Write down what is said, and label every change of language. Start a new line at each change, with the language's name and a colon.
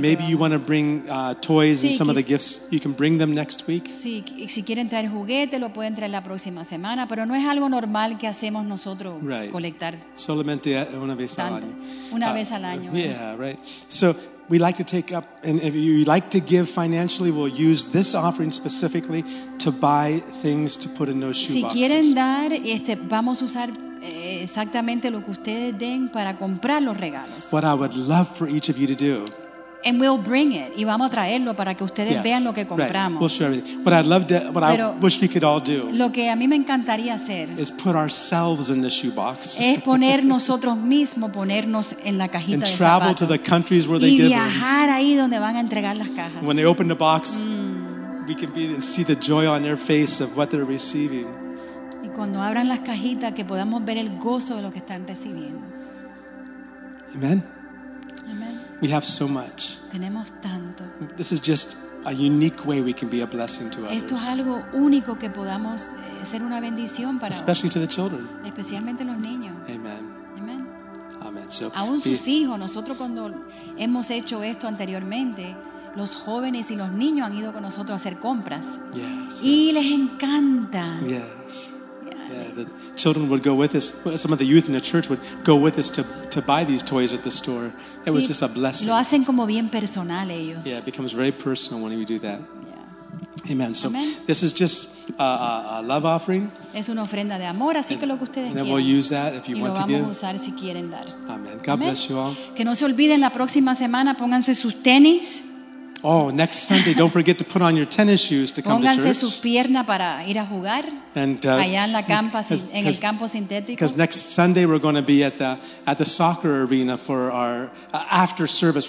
English: Maybe you want to bring toys, sí, and some of the gifts. You can bring them next week.
Spanish: Sí, si quieren traer juguete, lo pueden traer la próxima semana. Pero no es algo normal que hacemos nosotros,
English: right,
Spanish: colectar. Solamente una vez al año. Una vez al año.
English: Yeah, right. So we like to take up, and if you like to give financially, we'll use this offering specifically to buy things to put in those shoe boxes.
Spanish: Si quieren dar, vamos a usar exactamente lo que ustedes den para comprar los regalos.
English: What I would love for each of you to do. And we'll bring it.
Spanish: Y vamos a traerlo para que ustedes,
English: yes,
Spanish: vean lo que compramos.
English: Right. We'll show everything. What I'd love to, what
Spanish: pero
English: I wish we could all do.
Spanish: Lo que a mí me encantaría hacer
English: is put ourselves in the shoebox.
Spanish: Es poner nosotros mismos, ponernos en la cajita de
English: zapatos. And travel to the countries where they give.
Spanish: Y viajar ahí donde van a entregar las cajas.
English: When they open the box, we can be and see the joy on their face of what they're receiving.
Spanish: Y cuando abran las cajitas, que podamos ver el gozo de lo que están recibiendo.
English: Amen. We have so much.
Spanish: Tenemos tanto.
English: This is just a unique way we can be a blessing to others.
Spanish: Esto es algo único que podamos ser una bendición para.
English: Especially to the children.
Spanish: Especialmente los niños.
English: Amen.
Spanish: Amen.
English: Amen. So,
Spanish: aún sus hijos. Nosotros cuando hemos hecho esto anteriormente, los jóvenes y los niños han ido con nosotros a hacer compras.
English: Yes.
Spanish: Y
English: yes,
Spanish: les encanta.
English: Yes. The children would go with us. Some of the youth in the church would go with us to buy these toys at the store. It,
Spanish: sí,
English: was just a blessing.
Spanish: Lo hacen como bien personal ellos.
English: Yeah, it becomes very personal when you do that. Yeah. Amen. So
Spanish: amen.
English: This is just a love offering.
Spanish: Es una ofrenda de amor, así que lo que ustedes quieran.
English: And we'll use that if you
Spanish: y
English: to give.
Spanish: Vamos a usar si quieren dar.
English: Amen. God amen. Bless you all.
Spanish: Que no se olviden la próxima semana, pónganse sus tenis.
English: Oh, next Sunday, don't forget to put on your tennis shoes to come
Spanish: pónganse
English: to church.
Spanish: Pónganse sus piernas para ir a jugar allá en la campa, en el campo sintético.
English: Because next Sunday we're going to be at the soccer arena for our after service.